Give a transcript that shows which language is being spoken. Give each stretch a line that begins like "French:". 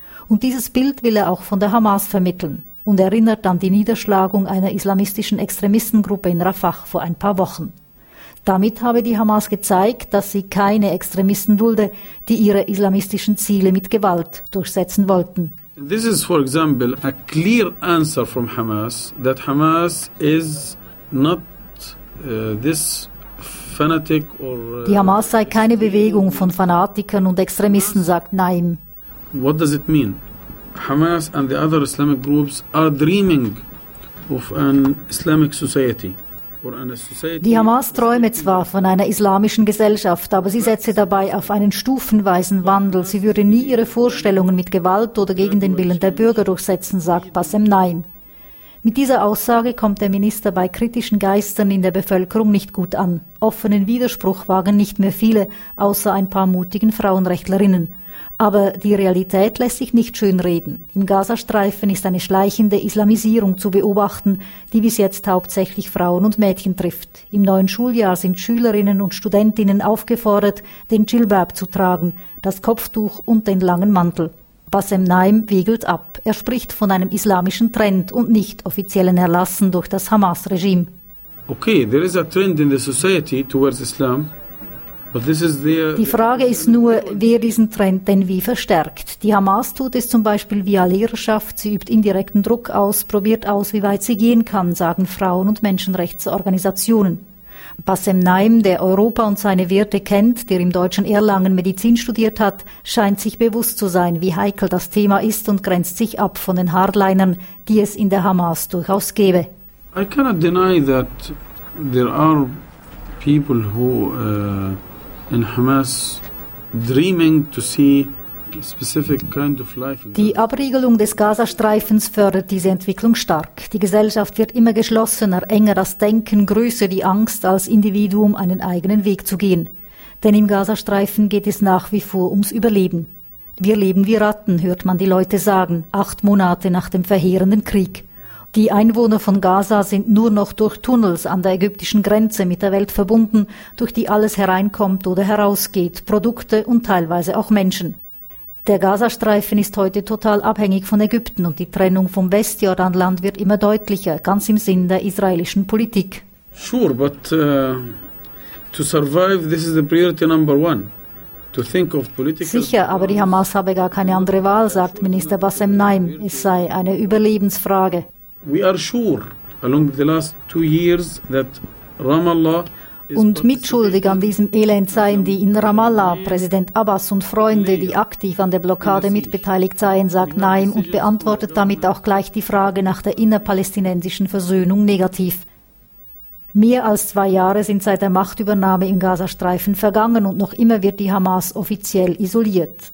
German: Und dieses Bild will er auch von der Hamas vermitteln und erinnert an die Niederschlagung einer islamistischen Extremistengruppe in Rafah vor ein paar Wochen. Damit habe die Hamas gezeigt, dass sie keine Extremisten dulde, die ihre islamistischen Ziele mit Gewalt durchsetzen wollten.
English: This is for example a clear answer from Hamas that Hamas is not this fanatic or
German: Die Hamas sei keine Bewegung von Fanatikern und Extremisten, sagt Naim.
English: What does it mean? Hamas and the other Islamic groups are dreaming of an Islamic society.
German: Die Hamas träume zwar von einer islamischen Gesellschaft, aber sie setze dabei auf einen stufenweisen Wandel. Sie würde nie ihre Vorstellungen mit Gewalt oder gegen den Willen der Bürger durchsetzen, sagt Bassem Naim. Mit dieser Aussage kommt der Minister bei kritischen Geistern in der Bevölkerung nicht gut an. Offenen Widerspruch wagen nicht mehr viele, außer ein paar mutigen Frauenrechtlerinnen. Aber die Realität lässt sich nicht schönreden. Im Gazastreifen ist eine schleichende Islamisierung zu beobachten, die bis jetzt hauptsächlich Frauen und Mädchen trifft. Im neuen Schuljahr sind Schülerinnen und Studentinnen aufgefordert, den Jilbab zu tragen, das Kopftuch und den langen Mantel. Bassem Naim wiegelt ab. Er spricht von einem islamischen Trend und nicht offiziellen Erlassen durch das Hamas-Regime.
English: Okay, there is a trend in the society towards Islam.
German: Die Frage ist nur, wer diesen Trend denn wie verstärkt. Die Hamas tut es zum Beispiel via Lehrerschaft, sie übt indirekten Druck aus, probiert aus, wie weit sie gehen kann, sagen Frauen- und Menschenrechtsorganisationen. Bassem Naim, der Europa und seine Werte kennt, der im deutschen Erlangen Medizin studiert hat, scheint sich bewusst zu sein, wie heikel das Thema ist und grenzt sich ab von den Hardlinern, die es in der Hamas durchaus gäbe.
English: I cannot deny that there are people who in Hamas dreaming to see a specific kind of life.
German: Die Abriegelung des Gazastreifens fördert diese Entwicklung stark. Die Gesellschaft wird immer geschlossener, enger das Denken, größer die Angst, als Individuum einen eigenen Weg zu gehen. Denn im Gazastreifen geht es nach wie vor ums Überleben. Wir leben wie Ratten, hört man die Leute sagen, 8 Monate nach dem verheerenden Krieg. Die Einwohner von Gaza sind nur noch durch Tunnels an der ägyptischen Grenze mit der Welt verbunden, durch die alles hereinkommt oder herausgeht, Produkte und teilweise auch Menschen. Der Gazastreifen ist heute total abhängig von Ägypten und die Trennung vom Westjordanland wird immer deutlicher, ganz im Sinn der israelischen Politik.
English: Sure, but to survive, this is the priority number one.
German: Sicher, aber die Hamas habe gar keine andere Wahl, sagt Minister Bassem Naim. Es sei eine Überlebensfrage.
English: We are sure along the last 2 years that Ramallah
German: und mitschuldig an diesem Elend seien die in Ramallah, Präsident Abbas und Freunde, die aktiv an der Blockade mitbeteiligt seien, sagt Naim und beantwortet damit auch gleich die Frage nach der innerpalästinensischen Versöhnung negativ. Mehr als 2 Jahre sind seit der Machtübernahme im Gazastreifen vergangen und noch immer wird die Hamas offiziell isoliert.